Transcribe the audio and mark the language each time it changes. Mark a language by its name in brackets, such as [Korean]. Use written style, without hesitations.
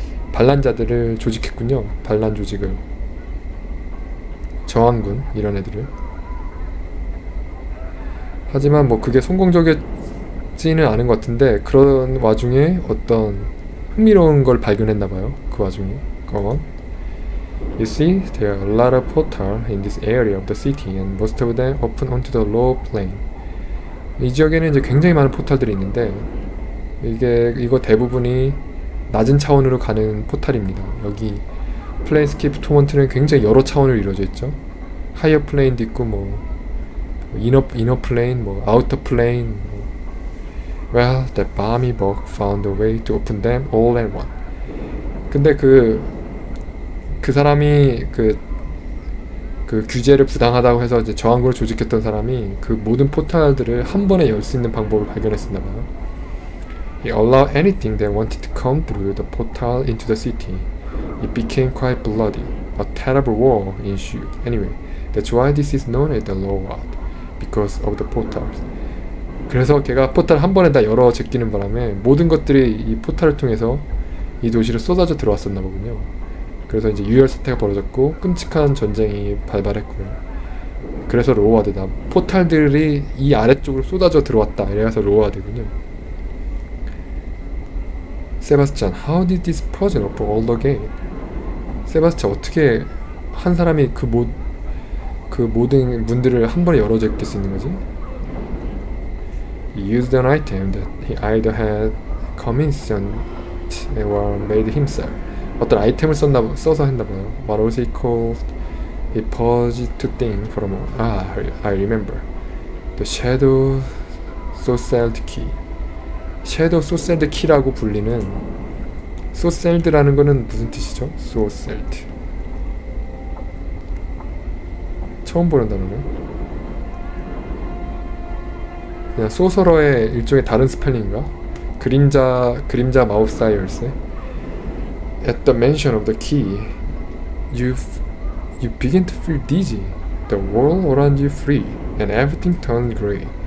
[Korean] 반란자들을 조직했군요. 반란 조직을. 저항군, 이런 애들을. 하지만 뭐 그게 성공적이지는 않은 것 같은데 그런 와중에 어떤 흥미로운 걸 발견했나봐요. 그 와중에 [English] Go on. You see, there are a lot of portals in this area of the city and most of them open onto the low plain. [Korean] 이 지역에는 이제 굉장히 많은 포탈들이 있는데 이거 대부분이 낮은 차원으로 가는 포탈입니다. 여기 플레인스케이프 토먼트는 굉장히 여러 차원으로 이루어져 있죠. 하이어 플레인도 있고 뭐 이너 플레인, 뭐 아우터 플레인. [English] Well, that balmy bug found a way to open them all at once. [Korean] 근데 그 사람이 그 규제를 부당하다고 해서 이제 저항군을 조직했던 사람이 그 모든 포탈들을 한 번에 열 수 있는 방법을 발견했었나 봐요. [English] He allowed anything that wanted to come through the portal into the city. It became quite bloody. A terrible war ensued. Anyway, that's why this is known as the Lower World. Because of the portals. [Korean] 그래서 걔가 포탈 한 번에 다 열어 제끼는 바람에 모든 것들이 이 포탈을 통해서 이 도시로 쏟아져 들어왔었나 보군요. 그래서 이제 유혈 사태가 벌어졌고 끔찍한 전쟁이 발발했고요. 그래서 로우아드다. 포탈들이 이 아래쪽으로 쏟아져 들어왔다. 이래서 로우아드군요. [English] Sebastian, how did this person open all the gate? [Korean] Sebastian, 어떻게 한 사람이 그 모든 문들을 한 번에 열어줄 수 있는 거지? [English] He used an item that he either had commissioned or made himself. [Korean] 어떤 아이템을 써서 했나 봐요. [English] What was he called? He paused to think for a moment. Ah, I remember. The Shadow Sorcerer Key. [Korean] Shadow Sorcerer Key라고 불리는 Sorcerer라는 거는 무슨 뜻이죠? Sorcerer. 처음 보는 단어네. 그냥 소설어의 일종의 다른 스펠링인가? 그림자 마법사의 열쇠. [English] At the mention of the key, you begin to feel dizzy. The world around you free, and everything turns gray.